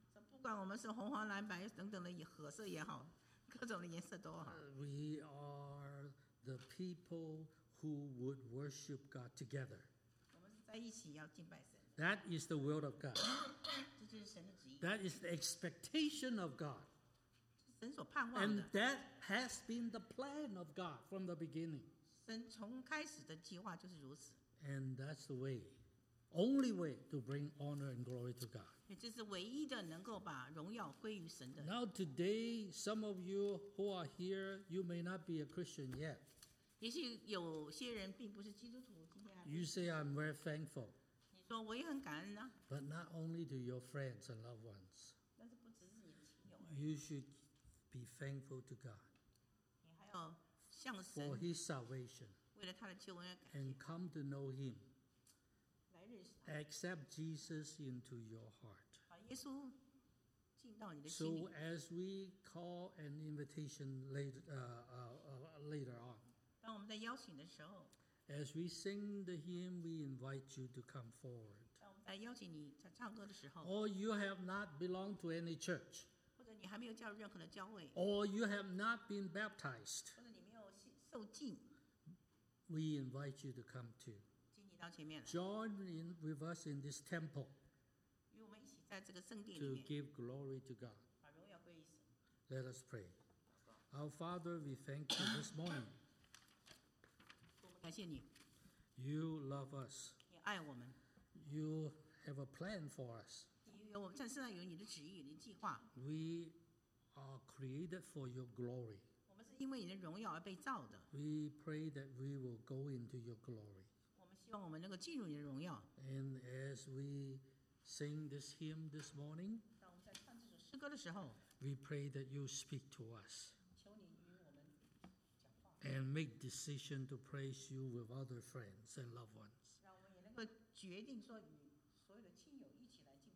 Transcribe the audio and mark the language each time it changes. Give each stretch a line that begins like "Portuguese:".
Chinese: 不管我们是红黄蓝白等等的褐色也好，各种的颜色都好。
English: We are the people who would worship God together。
Chinese: 我们是在一起要敬拜神。
English: That is the will of God。
Chinese: 这就是神的旨意。
English: That is the expectation of God。
Chinese: 神所盼望的
English: and that has been the plan of God from the beginning.
Chinese: 神从开始的计划就是如此
English: And that's the way, only way to bring honor and glory to God.
Chinese: 也就是唯一的能够把荣耀归于神的
English: Now today, some of you who are here, you may not be a Christian yet.
Chinese: 也许有些人并不是基督徒
English: You say I'm very thankful.
Chinese: 你说我也很感恩啊
English: But not only to your friends and loved ones.
Chinese: 但是不只是你的亲友
English: You should. Be thankful to God
Chinese: 你还要向神
English: for His salvation
Chinese: 为了他的救恩而感谢
English: and come to know Him
Chinese: 来认识他
English: accept Jesus into your heart
Chinese: 把耶稣进到你的心里
English: so as we call an invitation later on
Chinese: 当我们在邀请的时候
English: as we sing the hymn we invite you to come forward
Chinese: 当我们在邀请你在唱歌的时候
English: or you have not belonged to any church
Chinese: 你还没有加入任何的教会
English: or you have not been baptized
Chinese: 或者你没有受浸
English: we invite you to come to
Chinese: 请你到前面来
English: join in with us in this temple
Chinese: 与我们一起在这个圣殿里面
English: to give glory to God
Chinese: 把荣耀归于神
English: let us pray our father we thank you this morning
Chinese: 我们感谢你
English: you love us
Chinese: 你爱我们
English: you have a plan for us We are created for your glory.
Chinese: 我们是因为你的荣耀而被造的。
English: We pray that we will go into your glory.
Chinese: 我们希望我们能够进入你的荣耀。
English: And as we sing this hymn this morning,
Chinese: 当我们在唱这首诗歌的时候
English: we pray that you speak to us.
Chinese: 求你与我们讲话。
English: And make decision to praise you with other friends and loved ones.
Chinese: 让我们也能够决定说与所有的亲友一起来。